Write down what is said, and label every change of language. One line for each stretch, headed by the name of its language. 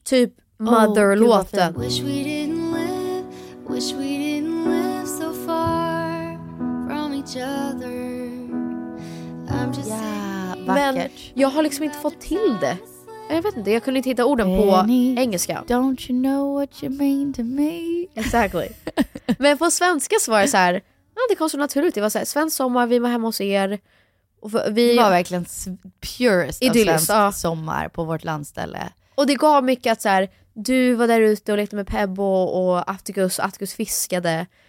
Swedish: Typ motherlåten.
English: Oh, wish we didn't live. Wish we didn't live so far from each other. I'm just saying.
Swedish: Men jag har liksom inte fått till det. Jag vet inte, jag kunde inte hitta orden Penny, på engelska.
English: Don't you know what you mean to me? Exactly.
Swedish: Men på svenska så var det så här. Ja, det kom så naturligt. Det var så här, svensk sommar, vi var hemma hos er. Och vi det var verkligen purest idyllis, av svensk sommar på vårt landställe. Och det gav mycket att så här, du var där ute och lekte med Pebbo och Attikus, och Attikus fiskade.